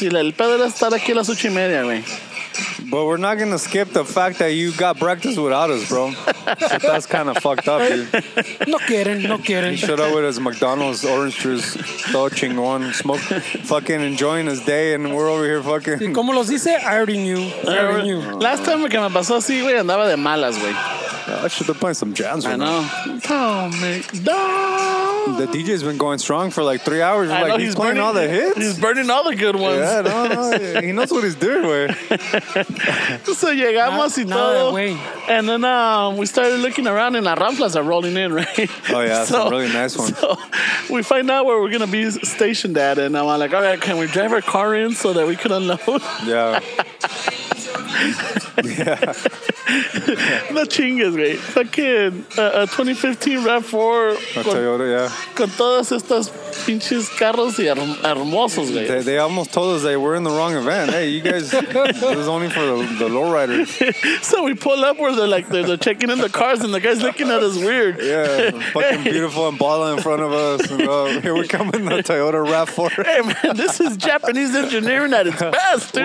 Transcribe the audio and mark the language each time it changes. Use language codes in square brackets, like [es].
[es] Y el pedo era estar aquí a las 8:30, güey. [en] But we're not gonna skip the fact that you got breakfast without us, bro. So that's kind of fucked up, dude. [es] No quieren. [en] He showed up with his McDonald's orange juice, [es] todo chingón, [en] smoke, fucking enjoying his day, and we're over here fucking. [es] Y como los dice, [en] I already knew. Last time [es] que me pasó así, güey, andaba de malas, güey. [en] I should have played some jams. I know. The DJ's been going strong for like 3 hours. I like know, he's playing burning, all the hits. He's burning all the good ones. Yeah, no. He knows what he's doing, güey. So [es] llegamos y todo, [en] and then we started looking around, and our ramflas are rolling in, right? Oh yeah, so, some really nice ones. So we find out where we're gonna be stationed at, and I'm like, all right, can we drive our car in so that we can unload? Yeah. [es] No chingues, güey. Fucking 2015 RAV4. [en] Toyota, yeah. [es] Con todos estos pinches carros y hermosos, güey. [en] They almost told us they were in the wrong event. Hey, you guys, this is only for the lowriders. So we pull up where they're like, they're checking in the cars and the guy's looking at us weird. Yeah, fucking beautiful Impala in front of us. And, here we come in the Toyota RAV4. Hey, man, this is Japanese engineering at its best, dude.